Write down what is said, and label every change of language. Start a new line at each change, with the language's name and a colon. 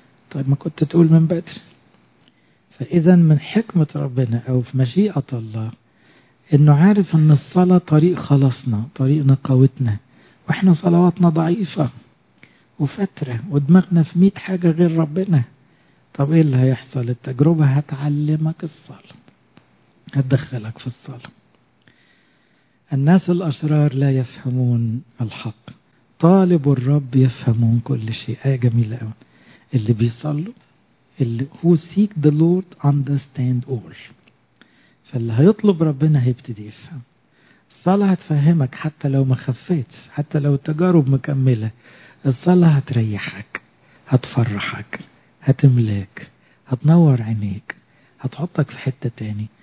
Arabic: طيب ما كنت تقول من بدري. فإذا من حكمة ربنا أو في مشيئة الله إنه عارف إن الصلاة طريق خلاصنا، طريق نقاوتنا، وإحنا صلواتنا ضعيفة وفترة ودماغنا في ميت حاجة غير ربنا. طب إيه اللي هيحصل؟ التجربة هتعلمك الصلاة، هتدخلك في الصلاة. الناس الأشرار لا يفهمون الحق، طالب الرب يفهمون كل شيء. آية جميلة أوي. اللي بيصلوا اللي هو
English: seek the Lord understand all.
Arabic: فاللي هيطلب ربنا هيبتدي يفهم. الصلاة هتفهمك حتى لو ما خفيت، حتى لو التجارب مكملة. الصلاة هتريحك، هتفرحك، هتملاك، هتنور عينيك، هتحطك في حتة تاني.